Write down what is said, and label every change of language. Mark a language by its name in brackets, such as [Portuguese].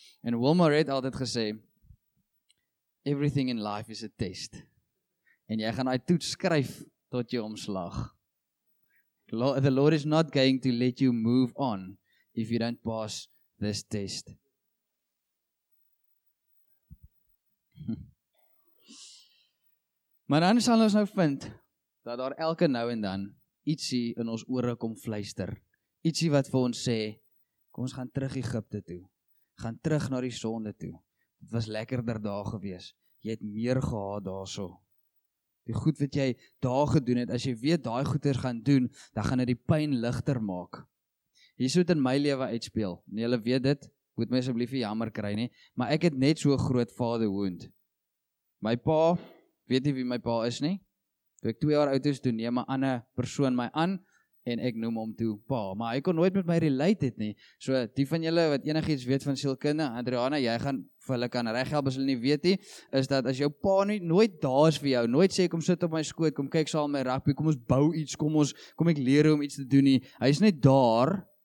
[Afrikaans] En Wilmer het altyd gesê, [English] everything in life is a test, [Afrikaans] en jy gaan die toets skryf, tot jy omslag. [English] The Lord is not going to let you move on if you don't pass this test. [Afrikaans] Maar dan sal ons nou vind dat daar elke nou en dan ietsie in ons ore kom fluister. Ietsie wat vir ons sê, kom ons gaan terug Egypte toe. Gaan terug na die sonde toe. Het was lekkerder daar gewees. Jy het meer gehad daar so. Die goed wat jy daar gedoen het, as jy weet daai goeders gaan doen, dan gaan dit die pyn ligter maak. Hier so het in my lewe uitspeel, en jylle weet dit, moet my asblief nie jammer kry nie, maar ek het net so groot vader wound. My pa, weet nie wie my pa is nie, toe ek 2 jaar oud is, toe neem my ander persoon my aan, en ek noem hom toe pa, maar hy kon nooit met my relate het nie, so die van jylle wat enig iets weet van sielkunde, Adriana, jy gaan vir hulle kan reghelp as hulle nie weet nie, is dat as jou pa nie, nooit daar is vir jou, nooit sê kom sit op my skoot, kom kyk saam my rugby, kom ons bou iets, kom ek leer om iets te doen nie, hy is net daar,